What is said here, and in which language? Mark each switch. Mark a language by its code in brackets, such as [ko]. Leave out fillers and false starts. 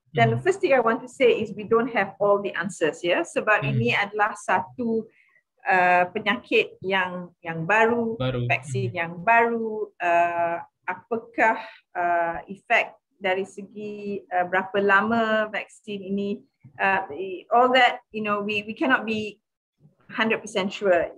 [en] Then the first thing I want to say is we don't have all the answers, ya. Yeah? [ms] Sebab ini adalah satu penyakit yang baru, vaksin yang baru. Apakah efek dari segi berapa lama vaksin ini? [en] All that, you know, we cannot be 100% sure, ya.